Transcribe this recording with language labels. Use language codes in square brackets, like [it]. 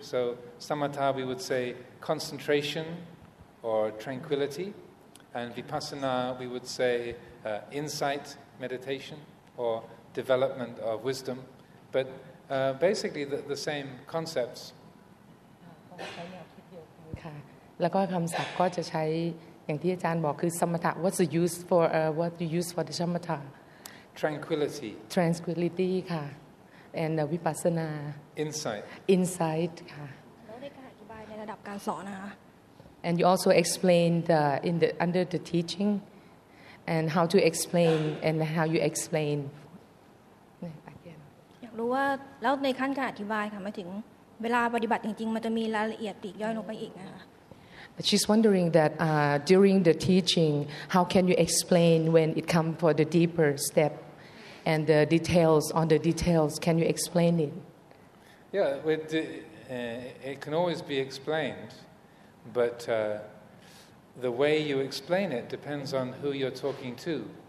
[en] So samatha, we would say concentration or tranquility. And vipassana, we would say insight, meditation, or development of wisdom. But basically the same concepts. [th] แล้วก็คำศัพท์ก็จะใช้อย่างที่อาจารย์บอกคือสมถะ [en] what's the use for what you use for the samatha tranquility tranquility [th] ค่ะ [en] and vipassana insight [th] ค่ะ แล้วในการอธิบายในระดับการสอนนะคะ [en] and you also explained in the under the teaching and how to explain and how you explain [th] อยากรู้ว่าแล้วในขั้นการอธิบายค่ะมาถึงเวลาปฏิบัติจริงๆมันจะมีรายละเอียดปลีกย่อยลงไปอีกนะคะ [en] She's wondering that during the teaching, how can you explain when it comes for the deeper step and the details on the details? Can you explain it? Yeah, it can always be explained, but the way you explain it depends on who you're talking to.